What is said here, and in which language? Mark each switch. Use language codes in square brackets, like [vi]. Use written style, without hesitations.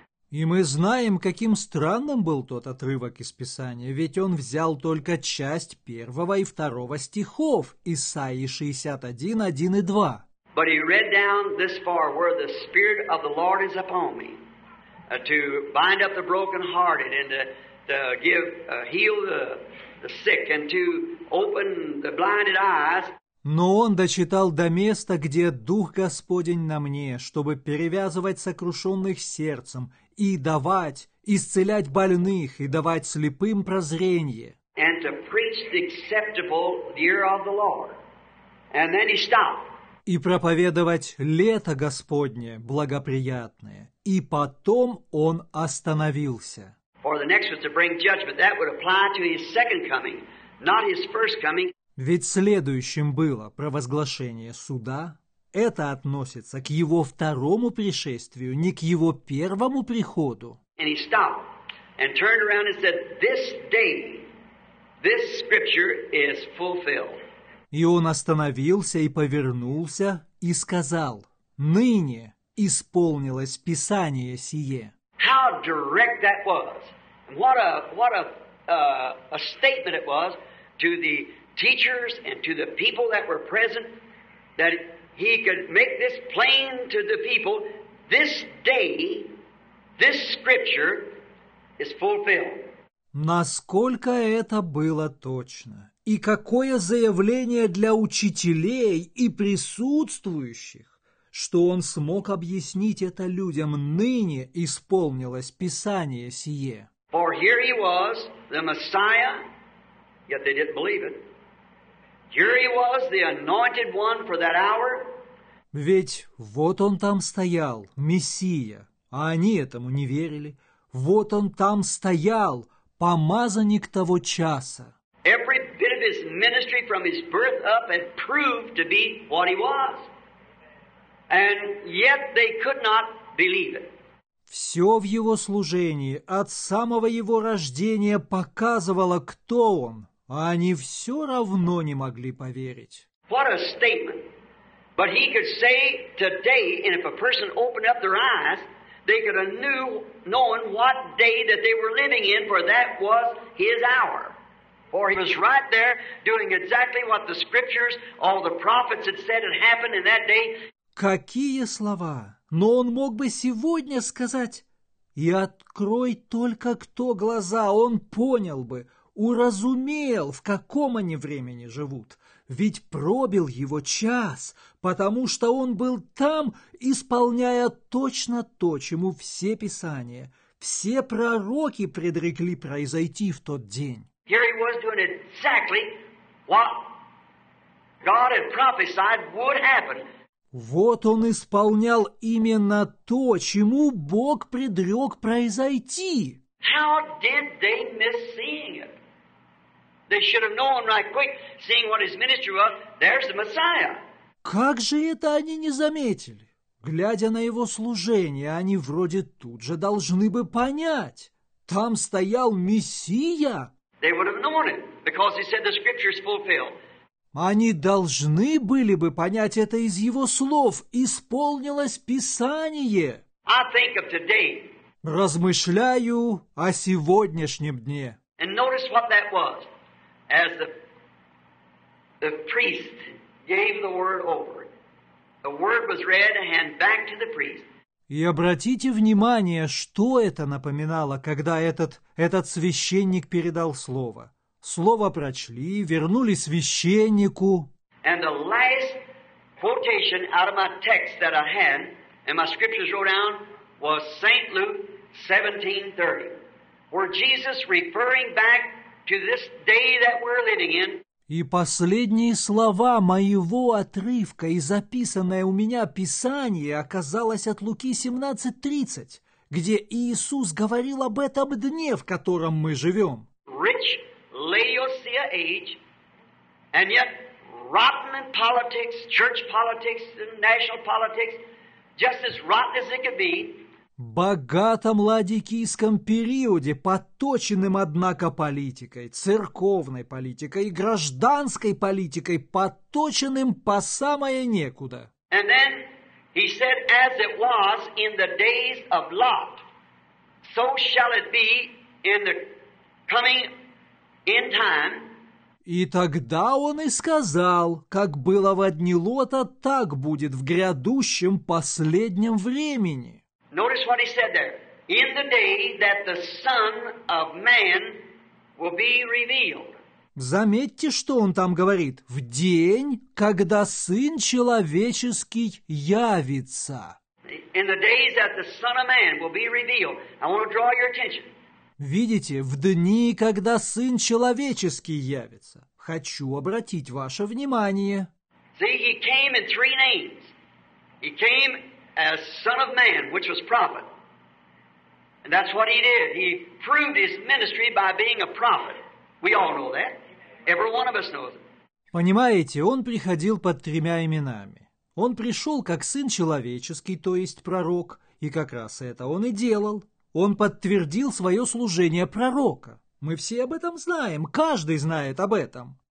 [ru] И мы знаем, каким странным был тот отрывок из Писания, ведь он взял только часть первого и второго стихов Исаии 61, 1 и 2. [en] But he read down this far, where the Spirit of the Lord is upon me, to bind up the brokenhearted and to give heal the sick and to open the blinded eyes. [ru] Но он дочитал до места, где Дух Господень на мне, чтобы перевязывать сокрушенных сердцем и давать, исцелять больных и давать слепым прозрение. [en] And to preach the acceptable year of the Lord. And then he stopped. [ru] И проповедовать лето Господне благоприятное. И потом он остановился. [en] For the next was to bring judgment. That would apply to his second coming, not his first coming. [ru] Ведь следующим было провозглашение суда. Это относится к его второму пришествию, не к его первому приходу. [en] And he stopped and turned around and said, "This day, this scripture is fulfilled." [ru] И он остановился и повернулся и сказал, «Ныне исполнилось Писание сие». [en] How direct that was! What a statement it was to the teachers and to the people that were present, that he could make this plain to the people, this day, this scripture is fulfilled. [ru] Насколько это было точно! И какое заявление для учителей и присутствующих, что он смог объяснить это людям, ныне исполнилось Писание сие. [en] For here he was, the Messiah, yet they didn't believe it. Here he was, the anointed one for that hour. [ru] Ведь вот он там стоял, Мессия, а они этому не верили. Вот он там стоял, помазанник того часа. [en] Every bit of his ministry from his birth up had proved to be what he was. And yet they could not believe it. [ru] Все в его служении от самого его рождения показывало, кто он, а они все равно не могли поверить. [en] What a statement. But he could say today, and if a person opened up their eyes, they could have knew, knowing what day that they were living in, for that was his hour. For he was right there doing exactly what the scriptures, all the prophets had said had happened in that day. [ru] Какие слова! Но он мог бы сегодня сказать, и открой только кто глаза, он понял бы, уразумел, в каком они времени живут. Ведь пробил его час, потому что он был там, исполняя точно то, чему все писания, все пророки предрекли произойти в тот день. [en] Here he was doing exactly what God had prophesied would happen. [ru] Вот он исполнял именно то, чему Бог предрек произойти. [en] How did they miss seeing it? They should have known right quick, seeing what his ministry was, there's the Messiah. [ru] Как же это они не заметили? Глядя на его служение, они вроде тут же должны бы понять. Там стоял Мессия. [en] They would have known it, because he said the scripture is fulfilled. [ru] Они должны были бы понять это из его слов. Исполнилось Писание. [en] I think of today. [ru] Размышляю о сегодняшнем дне. [en] And notice what that was. As the priest gave the word over, the word was read and handed back to the priest. [ru] И обратите внимание, что это напоминало, когда этот священник передал слово. Слово прочли, вернули священнику. [en] And the last quotation out of my text that I had, and my scriptures wrote down, was St. Luke 17:30, where Jesus referring back to this day that we're living in. [ru] И последние слова моего отрывка и записанное у меня Писание оказалось от Луки 17:30, где Иисус говорил об этом дне, в котором мы живем. [en] Rich Laodicea age, and yet rotten in politics, church politics, and national politics, just as rotten as it could be. [ru] Богатом ладикийском периоде, подточенным, однако, политикой, церковной политикой и гражданской политикой, подточенным по самое некуда. [en] And then he said, as it was in the days of Lot, so shall it be in the coming in time. [ru] И тогда он и сказал, как было во дни Лота, так будет в грядущем последнем времени. [en] Notice what he said there. In the day that the Son of Man will be revealed. [ru] Заметьте, что он там говорит. В день, когда Сын Человеческий явится. [en] In the days that the Son of Man will be revealed. I want to draw your attention. [ru] Видите, в дни, когда Сын Человеческий явится. Хочу обратить ваше внимание. [en] See, he came in three names. He came as Son of Man, which was prophet. And that's what he did. He proved his ministry by being a prophet. We all know that. Every one of us knows it. [ru] Понимаете, он приходил под тремя именами. Он пришел как Сын Человеческий, то есть пророк, и как раз это он и делал. Он подтвердил свое служение пророка. Мы все об этом знаем, каждый знает об этом.